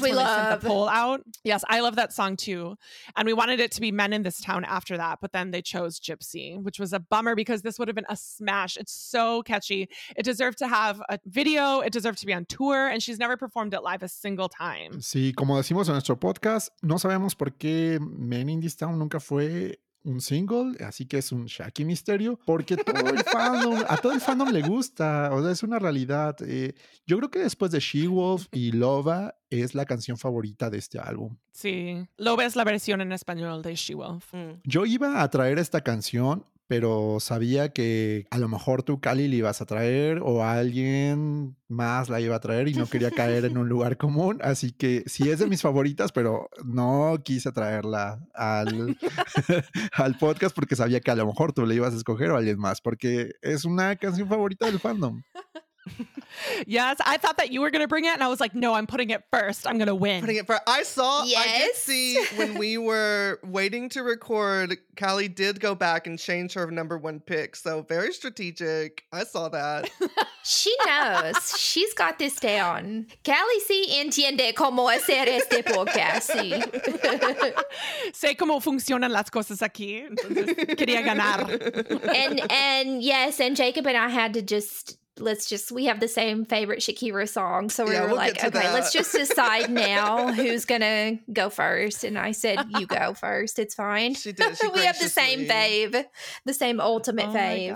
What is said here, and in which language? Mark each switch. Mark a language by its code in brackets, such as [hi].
[en] we when love. They sent the poll out. Yes, I love that song too, and we wanted it to be Men in This Town after that, but then they chose Gypsy, which was a bummer because this would have been a smash. It's so catchy. It deserved to have a video. It deserved to be on tour, and she's never performed it live a single time. [es] Sí, como decimos en nuestro podcast, no sabemos por qué Men in This Town nunca fue un single, así que es un Shaki misterio, porque a todo el fandom le gusta, o sea, es una realidad. Yo creo que después de She-Wolf y Loba es la canción favorita de este álbum. Sí, Loba es la versión en español de She-Wolf. Mm. Yo iba a traer esta canción, pero sabía que a lo mejor tú, Cali, la ibas a traer o alguien más la iba a traer y no quería caer en un lugar común. Así que sí es de mis favoritas, pero no quise traerla al podcast porque sabía que a lo mejor tú la ibas a escoger o alguien más porque es una canción favorita del fandom. [en] Yes, I thought that you were going to bring it and I was like, no, I'm putting it first. I'm going to win. Putting it first. I saw, yes. I did see when we were waiting to record, Callie did go back and change her number one pick. So very strategic. I saw that. She knows. She's got this down. [es] Callie sí entiende cómo hacer este podcast. Sé cómo funcionan las cosas aquí. Entonces, quería ganar. [en] And Jacob and I had to just... we have the same favorite Shakira song. So we were like, okay, let's just decide now who's going to go first. And I said, you go first. It's fine. She did. We have the same fave, the same ultimate fave.